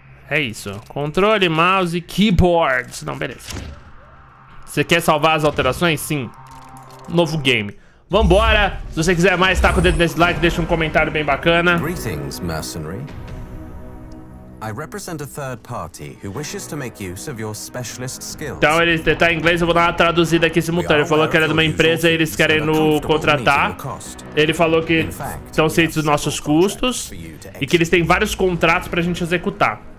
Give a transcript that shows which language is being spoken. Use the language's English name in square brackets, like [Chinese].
[Portuguese] É isso. Controle, mouse, keyboard. Não, beleza. Você quer salvar as alterações? Sim. Novo game. Vambora! Se você quiser mais, taca o dedo nesse like, deixa um comentário bem bacana. [English] Greetings, mercenary. I represent a third party who wishes to make use of your specialist skills. [Portuguese] Então ele tá em inglês, eu vou dar uma traduzida aqui simultânea. Ele falou que era de uma empresa e eles querem nos contratar. Ele falou que estão cientes dos nossos custos e que eles têm vários contratos pra gente executar.